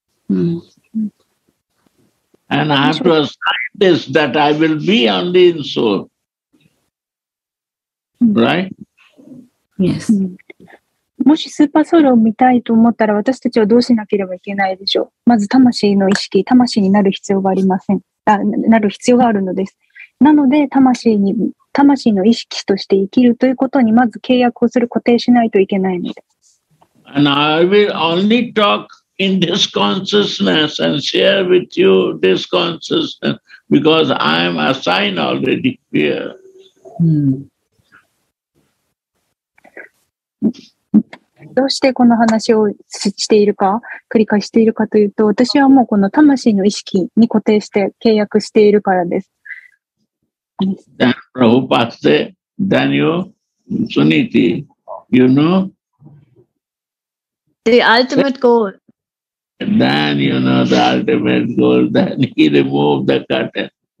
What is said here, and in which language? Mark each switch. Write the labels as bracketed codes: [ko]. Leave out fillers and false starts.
[en] And I have to assign this that I will be only in soul. Right? Yes. [ja] もしスーパーソウルを見たいと思ったら、私たちはどうしなければいけないでしょう。まず魂の意識、魂になる必要がありません。なる必要があるのです。なので、魂の意識として生きるということに、まず契約をする、固定しないといけないのです。 [en] And I will only talk in this consciousness and share with you this consciousness because I am assigned already here. [ja] どうしてこの話をしているか、繰り返しているかというと、私はもうこの魂の意識に固定して契約しているからです。 [en] Then Prabhupada said, then you, Suniti, you know, The ultimate goal. Then you know the ultimate goal. Then he removed the curtain.